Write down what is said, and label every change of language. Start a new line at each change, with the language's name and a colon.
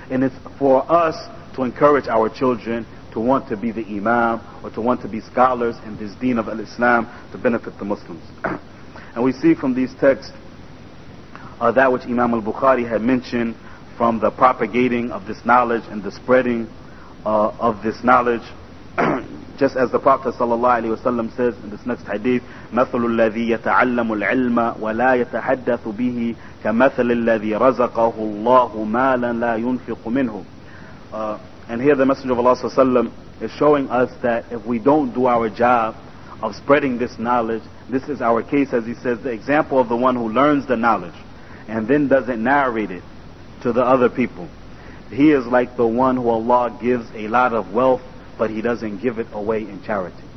English: And it's for us to encourage our children to want to be the imam, or to want to be scholars in this deen of Al-Islam, to benefit the Muslims. And we see from these texts that which Imam al-Bukhari had mentioned, from the propagating of this knowledge and the spreading of this knowledge. Just as the Prophet sallallahu alaihi wasallam says in this next hadith,
Arabic: مَثَلُ الَّذِي يَتَعَلَّمُ الْعِلْمَ وَلَا يَتَحَدَّثُ بِهِ كَمَثَلِ الَّذِي رَزَقَهُ اللَّهُ مَالًا لَا يُنْفِقُ مِنْهُ.
English: And here the Messenger of Allah sallallahu alaihi wasallam is showing us that if we don't do our job of spreading this knowledge, this is our case, as he says, the example of the one who learns the knowledge and then doesn't narrate it to the other people. He is like the one who Allah gives a lot of wealth, but he doesn't give it away in charity.